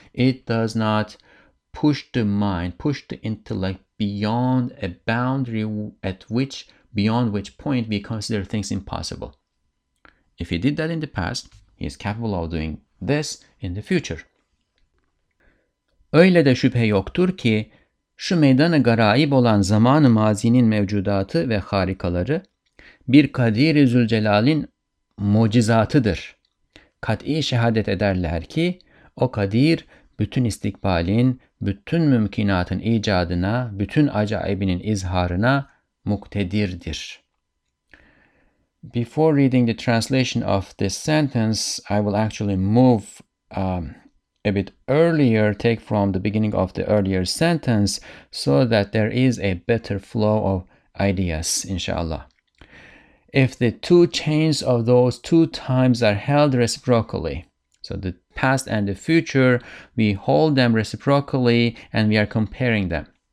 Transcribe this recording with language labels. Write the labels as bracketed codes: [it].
[en] It does not push the mind, push the intellect beyond a boundary at which, beyond which point we consider things impossible. If he did that in the past, he is capable of doing this in the future. [tr] Öyle de şüphe yoktur ki, şu meydana garaib olan zaman-ı mazinin mevcudatı ve harikaları bir Kadir-i Zülcelal'in mucizatıdır. Kat'i şehadet ederler ki o Kadir bütün istikbalin, bütün mümkinatın icadına, bütün acaibinin izharına muktedirdir. [en] Before reading the translation of this sentence, I will actually move a bit earlier, take from the beginning of the earlier sentence, so that there is a better flow of ideas, inshallah. If the two chains of those two times are held reciprocally, so the past and the future, we hold them reciprocally and we are comparing them.